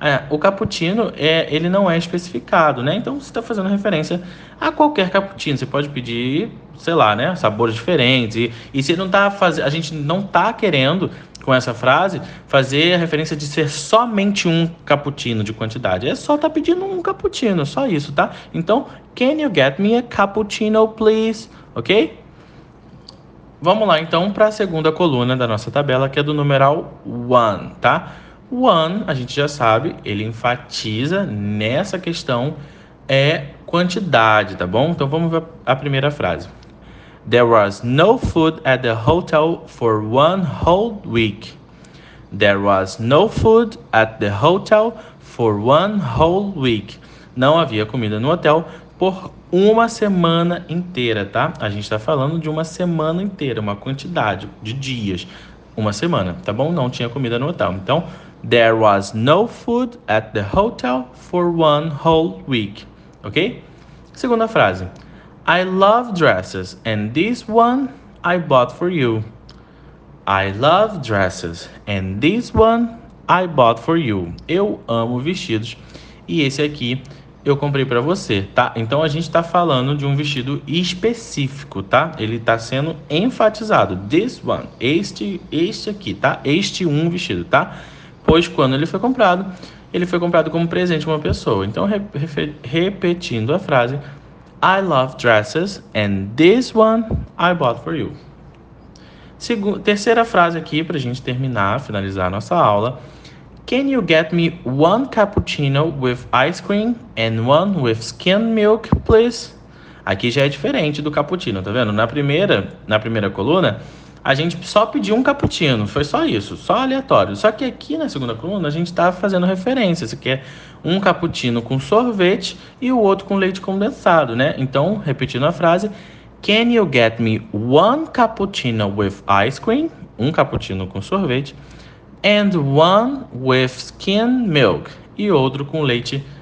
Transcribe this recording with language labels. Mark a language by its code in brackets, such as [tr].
[pt] O cappuccino, ele não é especificado, né? Então, você está fazendo referência a qualquer cappuccino. Você pode pedir, sei lá, né? Sabores diferentes. E se não tá a gente não está querendo, com essa frase, fazer a referência de ser somente um cappuccino de quantidade. É só tá pedindo um cappuccino, só isso, tá? [en] Então, can you get me a cappuccino, please? Ok? [pt] Vamos lá, então, para a segunda coluna da nossa tabela, que é do numeral 1, tá? 1, a gente já sabe, ele enfatiza nessa questão é quantidade, tá bom? Então, vamos ver a primeira frase. [en] There was no food at the hotel for one whole week. There was no food at the hotel for one whole week. [pt] Não havia comida no hotel por uma semana inteira, tá? A gente está falando de uma semana inteira, uma quantidade de dias. Uma semana, tá bom? Não tinha comida no hotel. [en] Então, there was no food at the hotel for one whole week, ok? [pt] Segunda frase. [en] I love dresses and this one I bought for you. I love dresses and this one I bought for you. [pt] Eu amo vestidos e esse aqui eu comprei para você, tá? Então, a gente está falando de um vestido específico, tá? Ele está sendo enfatizado. [en] This one, [pt] este aqui, tá? Este um vestido, tá? Pois quando ele foi comprado como presente de uma pessoa. Então, repetindo a frase, [en] I love dresses and this one I bought for you. [pt] Terceira frase aqui para a gente terminar, finalizar a nossa aula. [en] Can you get me one cappuccino with ice cream and one with skim milk, please? [pt] Aqui já é diferente do cappuccino, tá vendo? Na primeira coluna, a gente só pediu um cappuccino, foi só isso, só aleatório. Só que aqui na segunda coluna, a gente tá fazendo referência. Você quer um cappuccino com sorvete e o outro com leite condensado, né? Então, repetindo a frase, [en] can you get me one cappuccino with ice cream, [pt] um cappuccino com sorvete, [en] and one with skim milk, [pt] e outro com leite